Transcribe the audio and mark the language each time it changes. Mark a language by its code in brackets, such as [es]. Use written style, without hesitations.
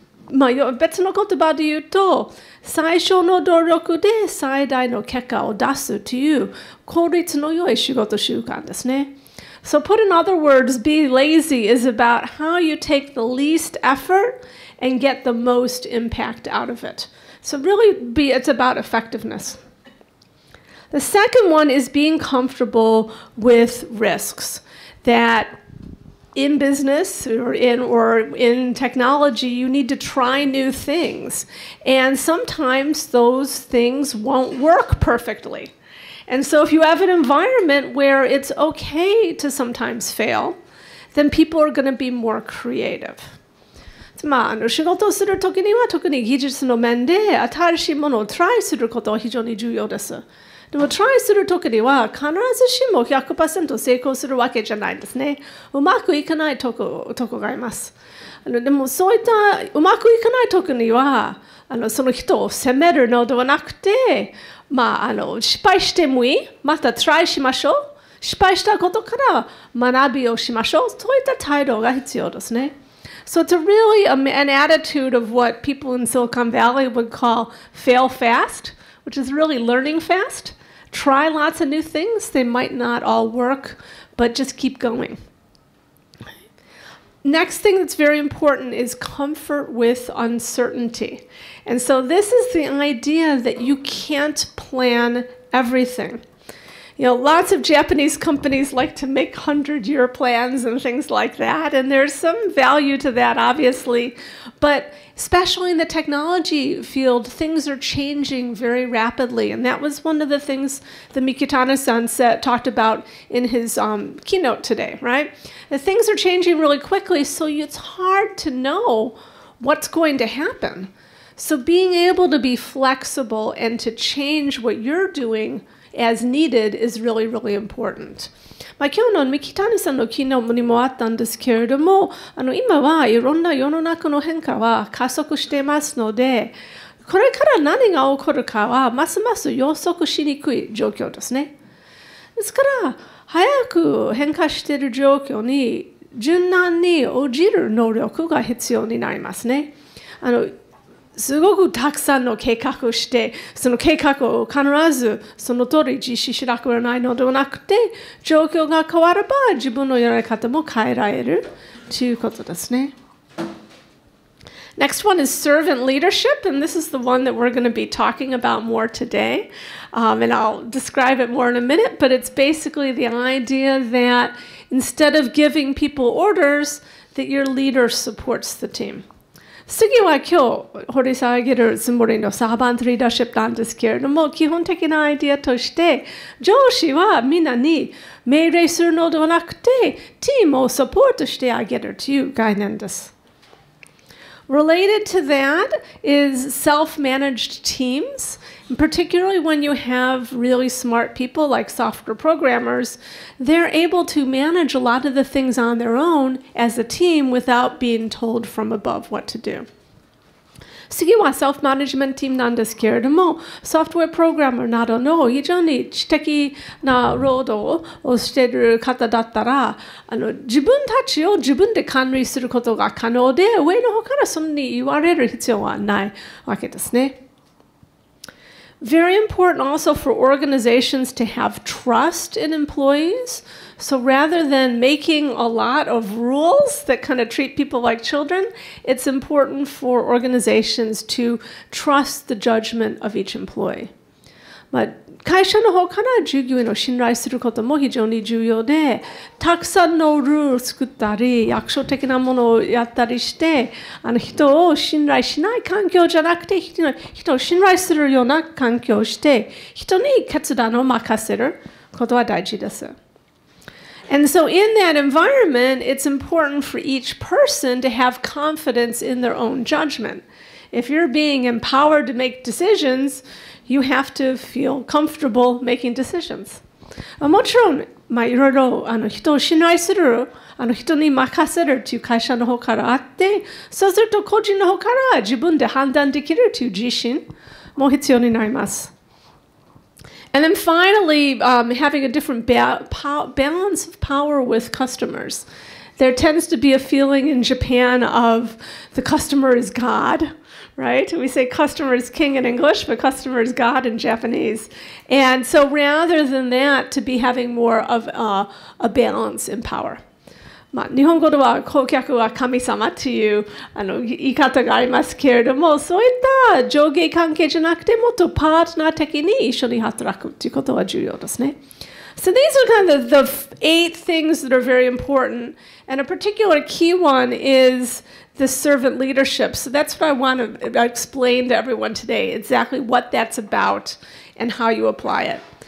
[ja] まあ、別の言葉で言うと、最初の努力で最大の結果を出すという効率の良い仕事習慣ですね。 [en] So put in other words, be lazy is about how you take the least effort and get the most impact out of it. So really, it's about effectiveness. The second one is being comfortable with risks that... In business or in technology, you need to try new things. And sometimes those things won't work perfectly. And so if you have an environment where it's okay to sometimes fail, then people are going to be more creative. [ja] まあ、仕事をするときには特に技術の面で新しいものをトライすることは非常に重要です。でもトライするときには必ずしも 100% 成功するわけじゃないんですね。うまくいかないとこがあります。でもそういったうまくいかないときにはその人を責めるのではなくて、まあ、失敗してもいい。またトライしましょう。失敗したことから学びをしましょう。そういった態度が必要ですね。 [en] So it's really an attitude of what people in Silicon Valley would call fail fast, which is really learning fast. Try lots of new things. They might not all work, but just keep going. Next thing that's very important is comfort with uncertainty. And so this is the idea that you can't plan everything. You know, lots of Japanese companies like to make 100-year plans and things like that, and there's some value to that, obviously. But especially in the technology field, things are changing very rapidly, and that was one of the things that Mikitani-san talked about in his keynote today, right? And things are changing really quickly, so it's hard to know what's going to happen. So being able to be flexible and to change what you're doing,as needed is really, really important. [ja] まあ、今日の三木谷さんの機能にもあったんですけれども、今はいろんな世の中の変化は加速していますので、これから何が起こるかはますます予測しにくい状況ですね。ですから、早く変化している状況に柔軟に応じる能力が必要になりますね。すごくたくさんの計画をして、その計画を必ずその通り実施しなくはないのではなくて、状況が変われば自分のやり方も変えられるということですね。 [en] Next one is servant leadership, and this is the one that we're going to be talking about more today. And I'll describe it more in a minute, but it's basically the idea that instead of giving people orders, that your leader supports the team. [ja] 次は今日掘り下げるつもりのサーバントリーダーシップなんですけれども、基本的なアイディアとして、上司はみんなに命令するのではなくて、チームをサポートしてあげるという概念です。 [en] Related to that is self-managed teams, particularly when you have really smart people like software programmers, they're able to manage a lot of the things on their own as a team without being told from above what to do. [ja] 次は self-management team なんですけれども、software programmer などの非常に知的な労働をしている方だったら、自分たちを自分で管理することが可能で、上の方からそんなに言われる必要はないわけですね。 [en] Very important also for organizations to have trust in employees. So rather than making a lot of rules that kind of treat people like children, it's important for organizations to trust the judgment of each employee. [ja] But 会社の方から従業員を信頼することも非常に重要で、たくさんのルールを作ったり、役所的なものをやったりして、人を信頼しない環境じゃなくて、人を信頼するような環境をして、人に決断を任せることは大事です。 [en] And so in that environment, it's important for each person to have confidence in their own judgment. If you're being empowered to make decisions, you have to feel comfortable making decisions. [ja] もちろん、まあ、いろいろあの人を信頼する、あの人に任せるという会社の方からあって、そうすると個人の方から自分で判断できるという自信も必要になります。 [en] And then finally, having a different balance of power with customers. There tends to be a feeling in Japan of the customer is God, right? We say customer is king in English, but customer is God in Japanese. And so rather than that, to be having more of a balance in power. [ja] まあ、日本語では顧客は神様というあの言い方がありますけれども、そういった上下関係じゃなくてもっとパートナー的に一緒に働くということは重要ですね。 [en] So these are kind of the eight things that are very important. And a particular key one is the servant leadership. So that's what I want to explain to everyone today, exactly what that's about and how you apply it.